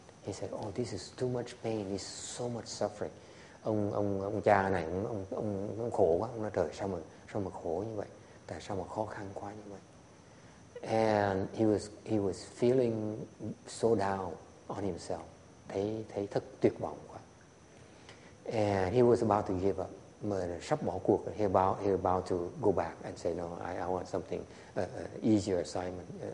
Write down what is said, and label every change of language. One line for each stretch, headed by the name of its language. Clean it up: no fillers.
English: He said, oh, this is too much pain, this is so much suffering.
Vietnamese: Ông cha này, ông khổ quá. Ông nói, trời, sao mà khổ như vậy? Tại sao mà khó khăn quá như vậy?
English: And he was feeling so down on himself.
Vietnamese: Thấy thật tuyệt vọng quá.
English: And he was about to give up.
Vietnamese: Mà sắp bỏ cuộc,
English: he about to go back and say, no, I want something easier assignment.